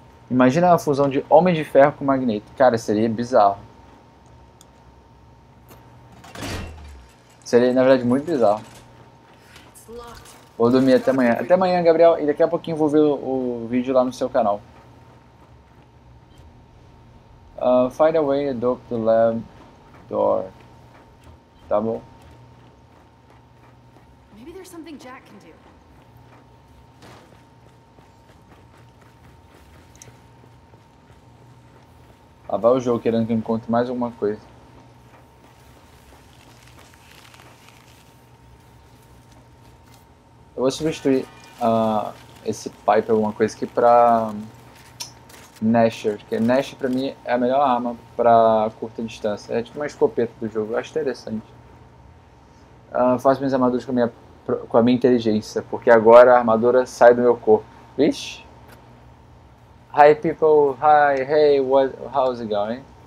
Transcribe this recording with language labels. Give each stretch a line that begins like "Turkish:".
Portuguese: Imagina a fusão de Homem de Ferro com Magneto. Cara, seria bizarro. Seria, na verdade, muito bizarro. Vou dormir até amanhã. Até amanhã, Gabriel. E daqui a pouquinho vou ver o vídeo lá no seu canal.
English: Find a way to dope the lab door.
Portuguese: Tá bom.
English: Maybe there's something Jack can do.
Portuguese: Lá vai o jogo querendo que eu encontre mais alguma coisa. Eu vou substituir esse pipe por alguma coisa aqui pra Nasher. Porque Nasher pra mim é a melhor arma pra curta distância. É tipo uma escopeta do jogo, eu acho interessante. Faço minhas armaduras com a minha inteligência, porque agora a armadura sai do meu corpo. Vixe!
English: Hi people, hi, hey, what, how's it going?